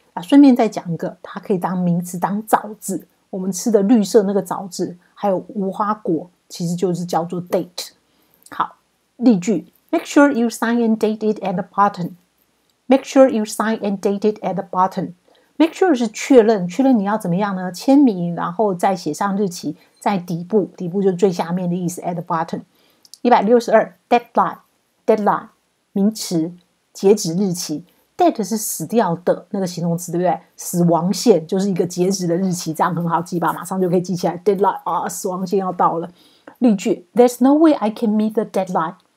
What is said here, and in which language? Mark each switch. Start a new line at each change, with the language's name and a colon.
Chinese: 啊，顺便再讲一个，它可以当名词当枣子。我们吃的绿色那个枣子，还有无花果，其实就是叫做 date。好，例句
English: ：Make sure you sign and date it at the bottom. Make sure you sign and date it at the bottom. Make sure
Chinese: 是确认，确认你要怎么样呢？签名，然后再写上日期，在底部，底部就是最下面的意思 ，
English: at the bottom。
Chinese: 162 deadline 名词，截止日期。 dead 是死掉的那个形容词，对不对？死亡线就是一个截止的日期，这样很好记吧，马上就可以记起来。 deadline 啊，死亡线要到了。例句
English: There's no way I can meet the deadline.